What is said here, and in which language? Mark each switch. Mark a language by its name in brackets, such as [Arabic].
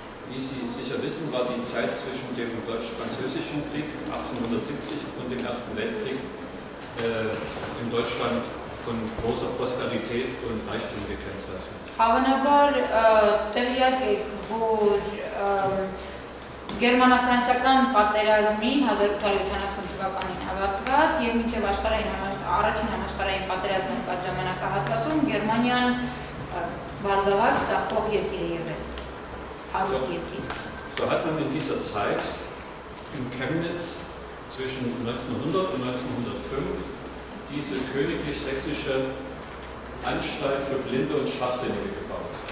[German] Wie Sie sicher wissen, war die Zeit zwischen dem Deutsch-Französischen Krieg 1870 und dem Ersten Weltkrieg in Deutschland von großer Prosperität und Reichtum gekennzeichnet. [Armenian] Հավանաբար տեղյակ եք, որ գերմանա-ֆրանսիական պատերազմի 1880 թվականին ավարտված եւ մինչեւ աշխարհային առաջին համաշխարհային պատերազմի ժամանակահատվածում Գերմանիան բարգավաճ ծախտող երկիր է եղել։ [German] So hat man in dieser Zeit in Chemnitz zwischen 1900 und 1905 diese königlich-sächsische Anstalt für Blinde und Schwachsinnige gebaut.